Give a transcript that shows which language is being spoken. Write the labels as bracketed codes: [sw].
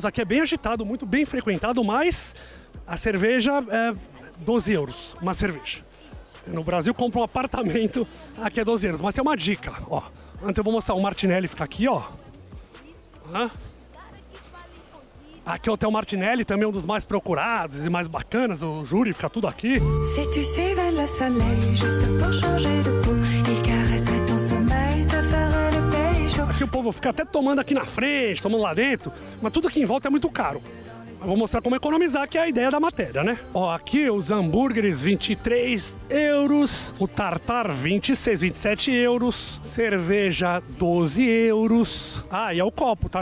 [pt] Aqui é bem agitado, muito bem frequentado, mas a cerveja é 12 euros, uma cerveja. No Brasil compra um apartamento, aqui é 12 euros. Mas tem uma dica, ó. Antes eu vou mostrar o Martinelli, fica aqui, ó. Hã? Aqui é o Hotel Martinelli, também um dos mais procurados e mais bacanas. O júri fica tudo aqui. [fr] Se tu suivais le soleil, juste pour changer de peau, il caresserait ton sommeil, te ferait le pécho. [pt] Aqui o povo fica até tomando aqui na frente, tomando lá dentro, mas tudo aqui em volta é muito caro. Eu vou mostrar como economizar, que é a ideia da matéria, né? Ó, aqui os hambúrgueres, 23 euros. O tartar, 26, 27 euros. Cerveja, 12 euros. Ah, e é o copo, tá?